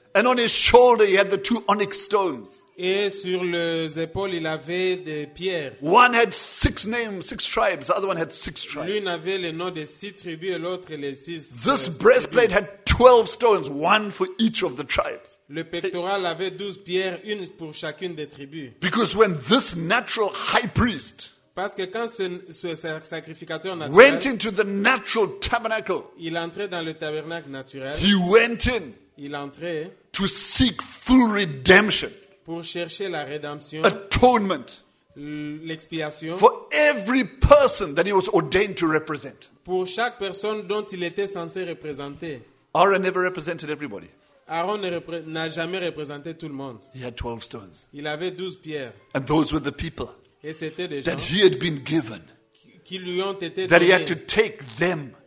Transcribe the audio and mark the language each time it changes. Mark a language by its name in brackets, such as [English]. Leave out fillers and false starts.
[English] And on his shoulder, he had the two onyx stones. [French] Et sur les épaules, il avait des pierres. [English] One had six names, six tribes. The other one had six tribes. [French] L'une avait le nom des six tribus et l'autre les six. [English] This breastplate had 12 stones, one for each of the tribes. [French] Le pectoral avait 12 pierres, une pour chacune des tribus. [English] Because when this natural high priest [French] parce que quand ce sacrificateur naturel [English] went into the natural tabernacle, [French] il entrait dans le tabernacle naturel. [English] He went in. [French] Il entrait [English] to seek full redemption. [French] Pour chercher la rédemption. [English] Atonement. [French] L'expiation. [English] For every person that he was ordained to represent. [French] Pour chaque personne dont il était censé représenter. [English] Aaron never represented everybody. [French] Aaron n'a jamais représenté tout le monde. [English] He had 12 stones. [French] Il avait 12 pierres. [English] And those were the people. [French] Et c'était des [English] that [French] gens [English] he had been given. [French] Qui lui ont été [English] that [French] donnés. [English] He had to take them.